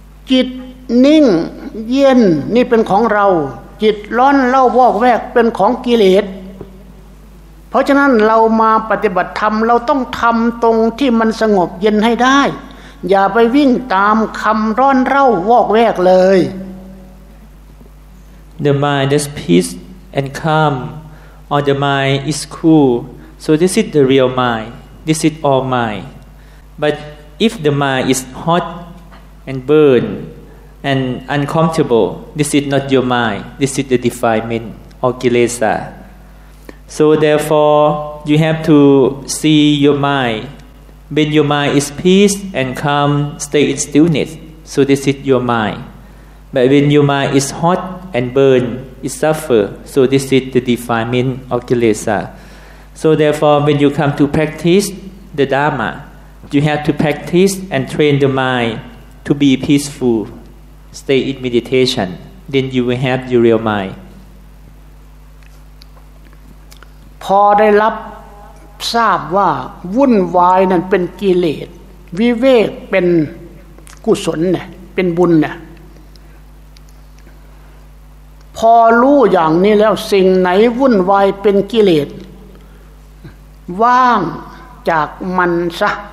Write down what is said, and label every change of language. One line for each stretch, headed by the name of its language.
Thai: จิตนิ่งเย็นนี่เป็นของเราจิตร้อนเร่าวอกแวกเป็นของกิเลสเพราะฉะนั้นเรามาปฏิบัติธรรมเราต้องทำตรงที่มันสงบเย็นให้ได้อย่าไปวิ่งตามคำร้อนเร่าวอกแวกเลย
English: The mind is peace and calm or the mind is cool so this is the real mind this is all mind but if the mind is hot and burn and uncomfortable this is not your mind this is the defilement or kilesa So therefore, you have to see your mind. When your mind is peace and calm, stay in stillness. So this is your mind. But when your mind is hot and burn, it suffer. So this is the defilement of kilesa. So therefore, when you come to practice the Dharma, you have to practice and train the mind to be peaceful, stay in meditation. Then you will have your real mind.
Thai: พอได้รับทราบว่าวุ่นวายนั่นเป็นกิเลสวิเวกเป็นกุศลเนี่ยเป็นบุญเนี่ยพอรู้อย่างนี้แล้วสิ่งไหนวุ่นวายเป็นกิเลสว่างจากมันซะ